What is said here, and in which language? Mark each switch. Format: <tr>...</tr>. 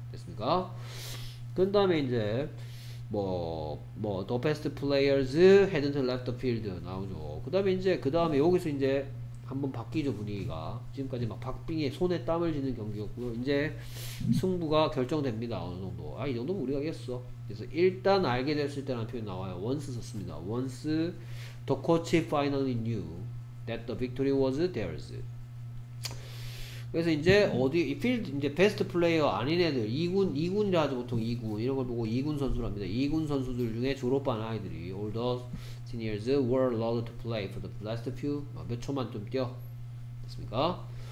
<ko>됐습니까? 그 다음에 이제 뭐</ko> <en>the best players hadn't left the field</en> <ko>나오죠. 그 다음에 이제 그 다음에 여기서 이제 한번 바뀌죠 분위기가. 지금까지 막 박빙에 손에 땀을 쥐는 경기였고요. 이제 승부가 결정됩니다 어느 정도. 아이 정도면 우리가 이겼어. 그래서 일단 알게 됐을 때라는 표현 나와요. Once 썼습니다.</ko> <en>Once the coach finally knew that the victory was theirs.</en> <ko>그래서 이제 어디 필드 이제 베스트 플레이어 아닌 애들 2군 2군이라 하죠 보통 2군 이런 걸 보고 2군 선수랍니다. 2군 선수들 중에 졸업한 아이들이</ko> <en>all the seniors were allowed to play for the last few</en> <ko>몇 초만 좀 뛰어 됐습니까?</ko>